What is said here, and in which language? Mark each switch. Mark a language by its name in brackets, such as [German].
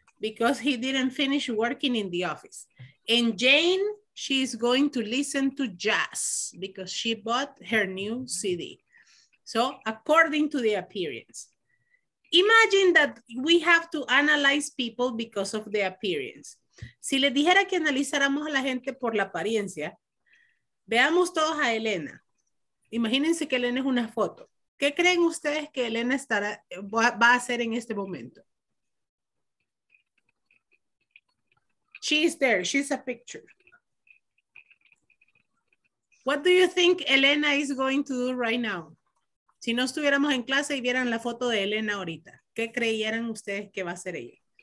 [English] Because he didn't finish working in the office. And Jane, she is going to listen to jazz because she bought her new CD. So according to the appearance. Imagine that we have to analyze people because of the appearance. [Spanish] Si les dijera que analizáramos a la gente por la apariencia, veamos todos a Elena. Imagínense que Elena es una foto. ¿Qué creen ustedes que Elena va a hacer en este momento? [English] She's there. She's a picture. What do you think Elena is going to do right now? [Spanish] Si no estuviéramos en clase y vieran la foto de Elena ahorita, ¿qué creyeran ustedes que va a hacer ella?